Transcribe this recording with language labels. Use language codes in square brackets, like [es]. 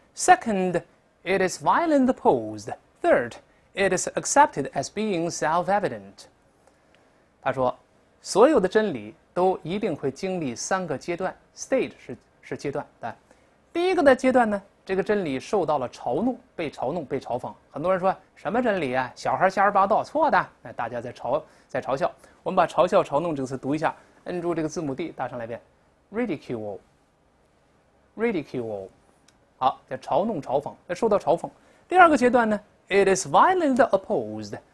[en] Second, it is violently opposed. Third, it is accepted as being self-evident. [zh] 他说，所有的真理都一定会经历三个阶段，stage 是阶段啊。第一个的阶段呢，这个真理受到了嘲弄，被嘲弄，被嘲讽。很多人说什么真理啊？小孩瞎说八道，错的。那大家在嘲笑。我们把嘲笑、嘲弄这个词读一下，摁住这个字母 D，大声来一遍，ridicule。好，叫嘲弄、嘲讽，要受到嘲讽。第二个阶段呢， [en] it is violently opposed。